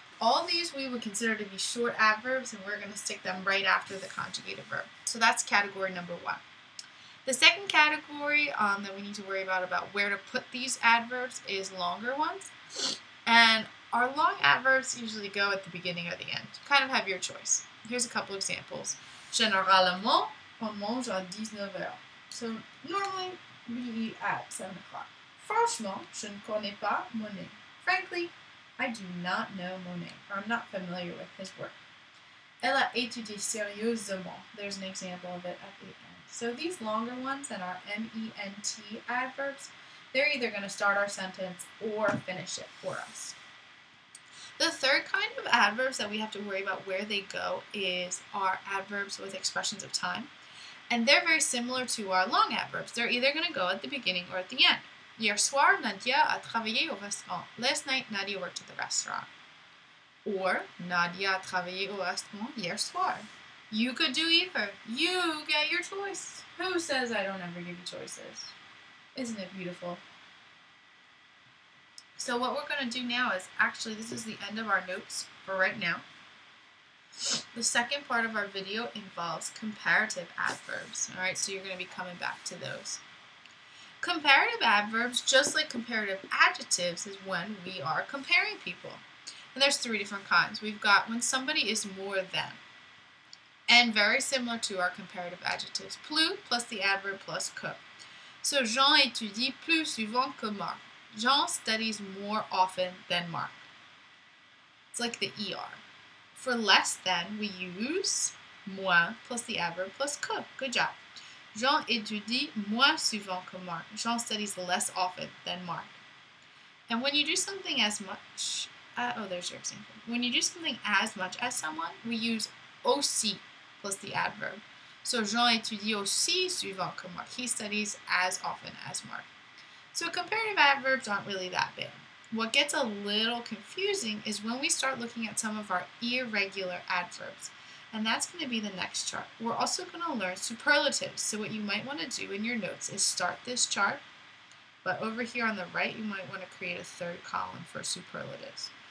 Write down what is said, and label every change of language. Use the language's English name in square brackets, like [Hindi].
[English] All these we would consider to be short adverbs, and we're going to stick them right after the conjugated verb. So that's category number one. The second category that we need to worry about where to put these adverbs, is longer ones. And our long adverbs usually go at the beginning or the end. Kind of have your choice. Here's a couple examples. [French] Généralement, on mange à 19h. [English] So normally, we eat at 7 o'clock. [French] Franchement, je ne connais pas Monet. [English] Frankly, I do not know Monet, or I'm not familiar with his work. [French] Elle a étudié sérieusement. [English] There's an example of it at the end. So these longer ones that are M-E-N-T adverbs, they're either going to start our sentence or finish it for us. The third kind of adverbs that we have to worry about where they go is our adverbs with expressions of time. And they're very similar to our long adverbs. They're either going to go at the beginning or at the end. [French] Hier soir, Nadia a travaillé au restaurant. [English] Last night, Nadia worked at the restaurant. [French] Or, Nadia a travaillé au restaurant hier soir. [English] You could do either. You get your choice. Who says I don't ever give you choices? Isn't it beautiful? So what we're going to do now is, actually, this is the end of our notes for right now. The second part of our video involves comparative adverbs. All right, so you're going to be coming back to those. Comparative adverbs, just like comparative adjectives, is when we are comparing people. And there's three different kinds. We've got when somebody is more than. And very similar to our comparative adjectives. Plus, plus the adverb, plus que. [French] So Jean étudie plus souvent que Marc. [English] Jean studies more often than Marc. It's like the ER. For less than, we use moins plus the adverb plus que. Good job. [French] Jean étudie moins souvent que Marc. [English] Jean studies less often than Marc. And when you do something as much, there's your example. When you do something as much as someone, we use aussi plus the adverb. [French] So Jean étudie aussi souvent que Marc. [English] He studies as often as Marc. So comparative adverbs aren't really that big. What gets a little confusing is when we start looking at some of our irregular adverbs. And that's going to be the next chart. We're also going to learn superlatives. So what you might want to do in your notes is start this chart. But over here on the right, you might want to create a third column for superlatives.